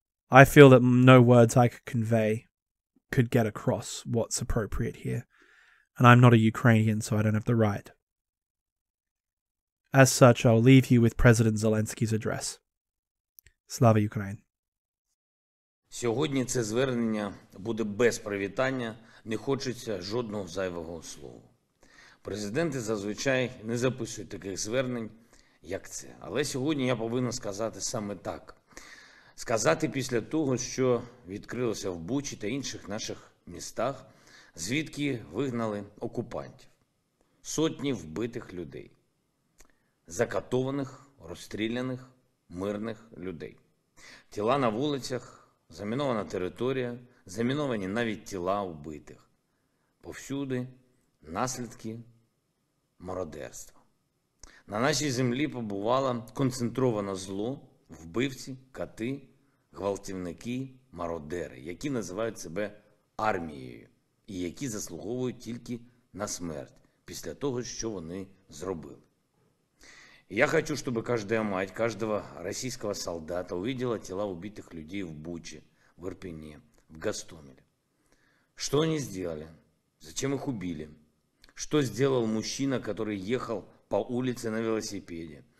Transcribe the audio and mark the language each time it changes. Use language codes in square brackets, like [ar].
[en] I feel that no words I could convey could get across what's appropriate here, and I'm not a Ukrainian, so I don't have the right. As such, I'll leave you with President Zelensky's address. [uk] Слава Україні! Сьогодні це звернення буде без привітання, не хочеться жодного зайвого слова. Президенти зазвичай не записують таких звернень, як це. Але сьогодні я повинен сказати саме так. Сказати після того, що відкрилося в Бучі та інших наших містах, звідки вигнали окупантів. Сотні вбитих людей. Закатованих, розстріляних, мирних людей. Тіла на вулицях, замінована територія, заміновані навіть тіла вбитих. Повсюди наслідки мародерства. На нашій землі побувало концентроване зло, вбивці, кати, гвалтівники, мародери, які називають себе армією і які заслуговують тільки на смерть після того, що вони зробили. [ru] Я хочу, чтобы каждая мать, каждого российского солдата увидела тела убитых людей в Буче, в Ирпене, в Гостомеле. Что они сделали? Зачем их убили? Что сделал мужчина, который ехал по улице на велосипеде?